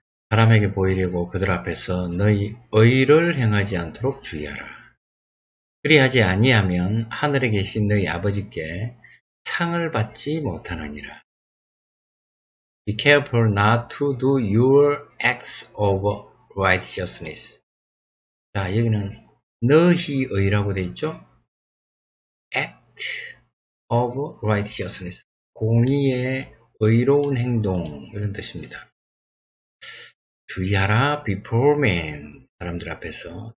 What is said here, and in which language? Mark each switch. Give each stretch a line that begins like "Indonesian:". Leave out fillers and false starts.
Korean: 사람에게 보이려고 그들 앞에서 너희 의를 행하지 않도록 주의하라. 그리하지 아니하면 하늘에 계신 너희 아버지께 상을 받지 못하느니라.
English: Be careful not to do your acts of righteousness.
Korean: 자, 여기는 너희의라고 되어 있죠?
English: act of righteousness.
Korean: 공의의 의로운 행동. 이런 뜻입니다. 주의하라,
English: before men.
Korean: 사람들 앞에서.